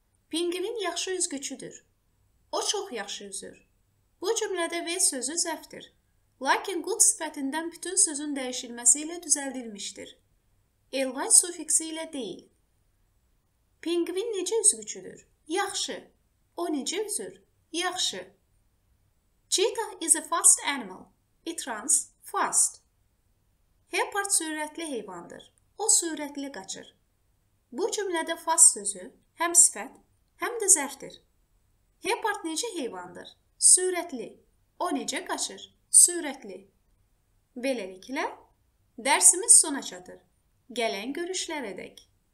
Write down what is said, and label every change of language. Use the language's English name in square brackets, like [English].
[Azerbaijani] Pinqvin yaxşı üzgüçüdür. O çox yaxşı üzür. Bu cümlədə V sözü zəfdir. Lakin good sifətindən bütün sözün dəyişilməsi ilə düzəldilmişdir. Ly sufiksi ilə deyil. Pinqvin necə üzgüçüdür? Yaxşı. O necə üzür? Yaxşı. [English] Cheetah is a fast animal. It runs fast. [Azerbaijani] Hepard sürətli heyvandır. O sürətli qaçır. Bu cümlədə fast sözü həm sifət, həm də zərfdir. Hepard necə heyvandır? Sürətli. O necə qaçır? Sürətli. Beləliklə, dərsimiz sona çatır. Gələn görüşlərə dək.